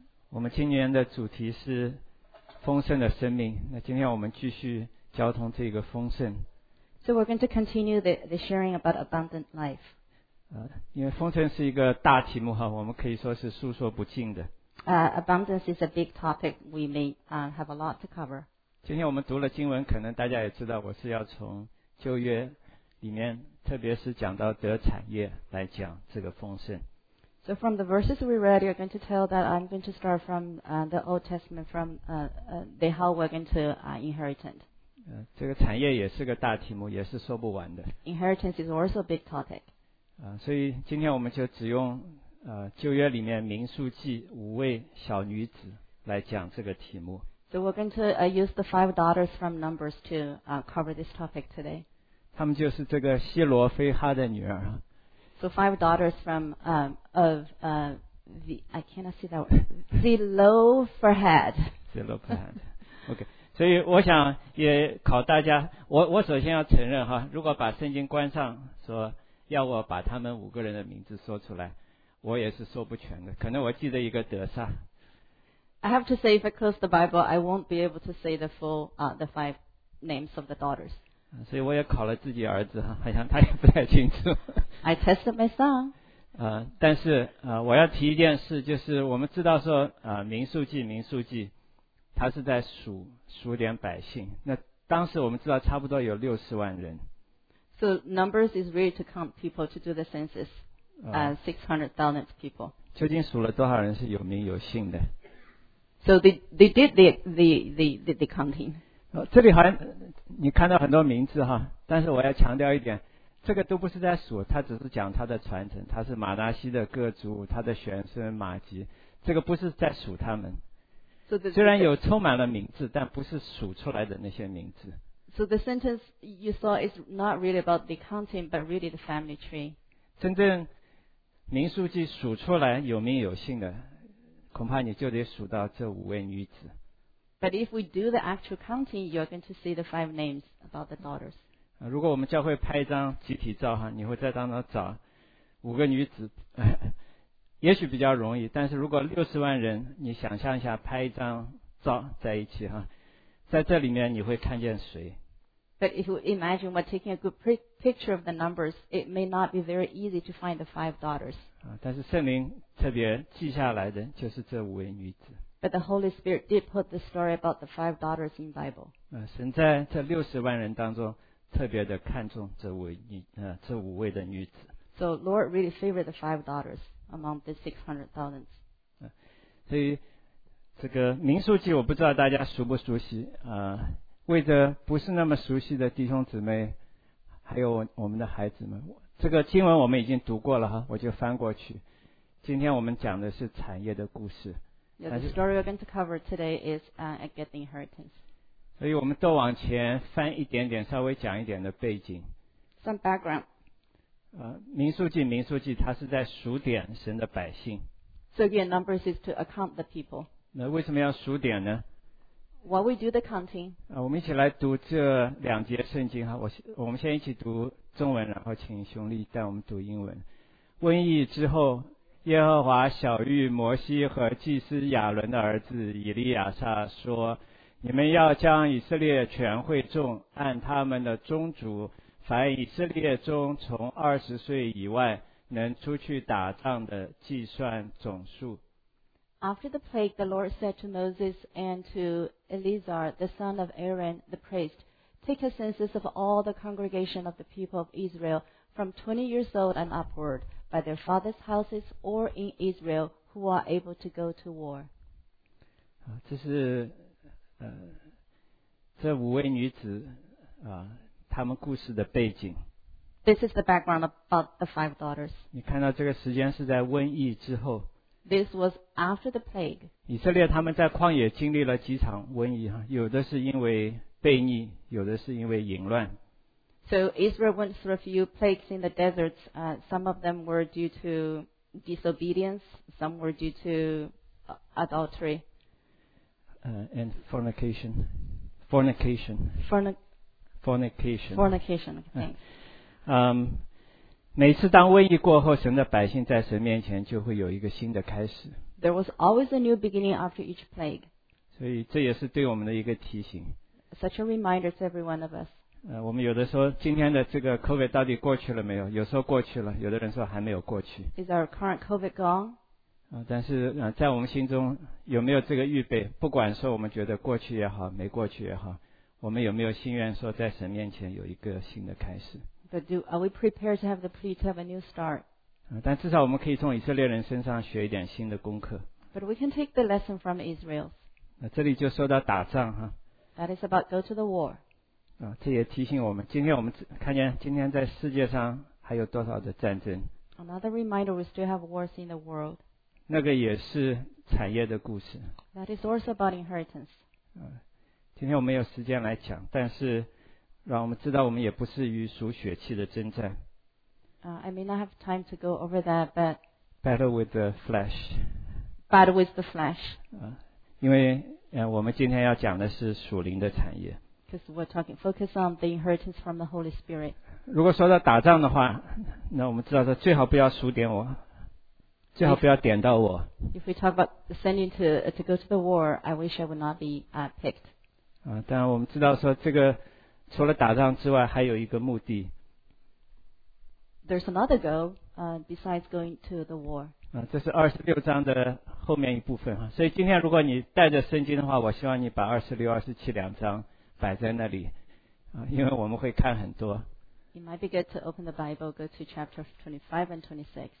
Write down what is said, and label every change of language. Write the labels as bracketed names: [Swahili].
[Chinese] 我们今年的主题是丰盛的生命。那今天我们继续交通这个丰盛。 [English] So we're going to continue the sharing about abundant life. [Chinese] 因为丰盛是一个大题目哈，我们可以说是诉说不尽的。 [English] Abundance is a big topic. We may have a lot to cover. [Chinese] 今天我们读了经文，可能大家也知道，我是要从旧约里面。特别是讲到得产业来讲这个丰盛。 [English] So from the verses we read, you're going to tell that I'm going to start from the Old Testament, from the how we're going to inheritant. [Chinese] 这个产业也是个大题目，也是说不完的。 [English] Inheritance is also a big topic. [Chinese] 所以今天我们就只用旧约里面民数记五位小女子来讲这个题目。 [English] So we're going to use the five daughters from Numbers to cover this topic today. [Chinese] 他们就是这个希罗菲哈的女儿。 [English] So five daughters from I cannot see that word. Zelophehad. Zelophehad. Okay. [Chinese] 所以我想也考大家，我首先要承认哈，如果把圣经关上，说要我把他们五个人的名字说出来，我也是说不全的。可能我记得一个德萨。 [English] I have to say, if I close the Bible, I won't be able to say the full the five names of the daughters. [Chinese] 所以我也考了自己儿子，好像他也不太清楚。 [English] I tested my son. [Chinese] 但是我要提一件事，就是我们知道说民数记，他是在数点百姓。那当时我们知道差不多有600,000人。 [English] So numbers is really to count people to do the census, 600,000 people. [Chinese] 究竟数了多少人是有名有姓的 [English] ？So they did the counting. [Chinese] 这里好像你看到很多名字哈，但是我要强调一点，这个都不是在数，他只是讲他的传承，他是马拿西的各族，他的玄孙马吉，这个不是在数他们。 [English] So、 [Chinese] 虽然有充满了名字，但不是数出来的那些名字。 [English] So the sentence you saw is not really about the counting, but really the family tree. [Chinese] 真正民数记数出来有名有姓的，恐怕你就得数到这五位女子。 [English] But if we do the actual counting, you're going to see the five names about the daughters. [Chinese] 如果我们教会拍一张集体照哈，你会在当中找五个女子，也许比较容易。但是如果600,000人，你想象一下拍一张照在一起哈，在这里面你会看见谁 [English] ？But if we imagine we're taking a good picture of the numbers, it may not be very easy to find the five daughters. [Chinese] 但是圣灵特别记下来的就是这五位女子。 [English] But the Holy Spirit did put the story about the five daughters in the Bible. [Chinese] 神在这600,000人当中特别的看重这五位的女子。 [English] So Lord really favored the five daughters among the 600,000. [Chinese] 所以这个民数记我不知道大家熟不熟悉，为着不是那么熟悉的弟兄姊妹还有我们的孩子们，这个经文我们已经读过了哈，我就翻过去。今天我们讲的是产业的故事。 [English] Yeah, the story we're going to cover today is get the inheritance. [Chinese] 所以我们都往前翻一点点，稍微讲一点的背景。 [English] Some background. [Chinese] 民数记，它是在数点神的百姓。 [English] So again, numbers is to account the people. [Chinese] 那为什么要数点呢 [English] ？While we do the counting. [Chinese] 我们一起来读这两节圣经哈。我们先一起读中文，然后请兄弟带我们读英文。瘟疫之后。耶和华晓谕摩西和祭司亚伦的儿子以利亚撒说，你们要将以色列全会众按他们的宗族，凡以色列中从20岁以外能出去打仗的计算总数。 [English] After the plague, the Lord said to Moses and to Eleazar, the son of Aaron, the priest, take a census of all the congregation of the people of Israel from 20 years old and upward. By their fathers' houses or in Israel, who are able to go to war. [Chinese] 这是这五位女子她们故事的背景。 [English] This is the background about the five daughters. [Chinese] 你看到这个时间是在瘟疫之后。 [English] This was after the plague. [Chinese] 以色列他们在旷野经历了几场瘟疫，有的是因为悖逆，有的是因为淫乱。 [English] So Israel went through a few plagues in the deserts. Some of them were due to disobedience. Some were due to adultery. And fornication. Fornication. Fornication. Fornication. Thanks. [Chinese] 每次当瘟疫过后，神的百姓在神面前就会有一个新的开始。 [English] There was always a new beginning after each plague. [Chinese] 所以这也是对我们的一个提醒。 [English] Such a reminder to every one of us. [Chinese] 我们有的说今天的这个 COVID 到底过去了没有？有时候过去了，有的人说还没有过去。 [English] Is our current COVID gone? [Chinese] 但是在我们心中有没有这个预备？不管说我们觉得过去也好，没过去也好，我们有没有心愿说在神面前有一个新的开始？ [English] But do, are we prepared to have the plea to have a new start? [Chinese] 但至少我们可以从以色列人身上学一点新的功课。 [English] But we can take the lesson from Israel. [Chinese] 这里就说到打仗哈。 [English] That is about go to the war. [Chinese] 这也提醒我们，今天我们看见今天在世界上还有多少的战争。 [English] Another reminder, we still have wars in the world. [Chinese] 那个也是产业的故事。 [English] That is also about inheritance. [Chinese] 今天我们有时间来讲，但是让我们知道我们也不是与属血气的征战。 [English] I may not have time to go over that, but battle with the flesh. Battle with the flesh. [Chinese] 因为我们今天要讲的是属灵的产业。 [English] Because we're talking, focus on the inheritance from the Holy Spirit. [Chinese] 如果说到打仗的话，那我们知道说最好不要数点我，最好不要点到我。 [English] If we talk about sending to go to the war, I wish I would not be picked. [Chinese] 但我们知道说这个除了打仗之外还有一个目的。 [English] There's another goal, besides going to the war. [Chinese] 这是二十六章的后面一部分。所以今天如果你带着圣经的话，我希望你把二十六、二十七两章摆在那里，因为我们会看很多。 [English] It might be good to open the Bible, go to chapter 25 and 26.